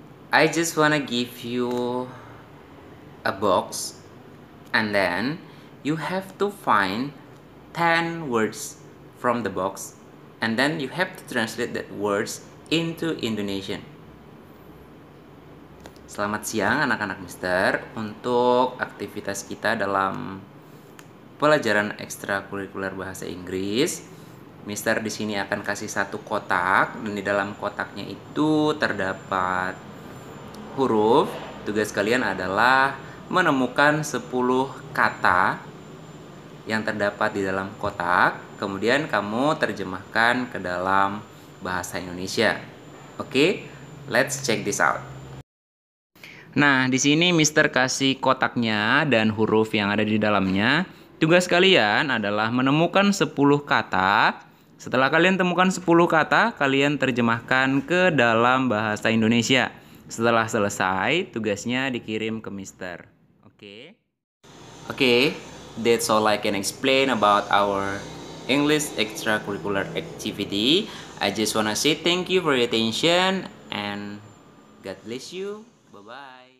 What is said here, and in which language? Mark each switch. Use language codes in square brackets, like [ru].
[en] I just want to give you a box and then you have to find 10 words from the box and then you have to translate that words into Indonesian. [id] Selamat siang anak-anak Mister. Untuk aktivitas kita dalam pelajaran ekstrakurikuler bahasa Inggris, Mister di sini akan kasih satu kotak dan di dalam kotaknya itu terdapat huruf. Tugas kalian adalah menemukan 10 kata yang terdapat di dalam kotak, kemudian kamu terjemahkan ke dalam bahasa Indonesia. Oke, [en] let's check this out. [id] Nah, di sini Mister kasih kotaknya dan huruf yang ada di dalamnya. Tugas kalian adalah menemukan 10 kata. Setelah kalian temukan 10 kata, kalian terjemahkan ke dalam bahasa Indonesia. Setelah selesai, tugasnya dikirim ke Mister. Oke. [en] Okay, that's all I can explain about our English extracurricular activity. I just wanna say thank you for your attention and God bless you. Bye-bye.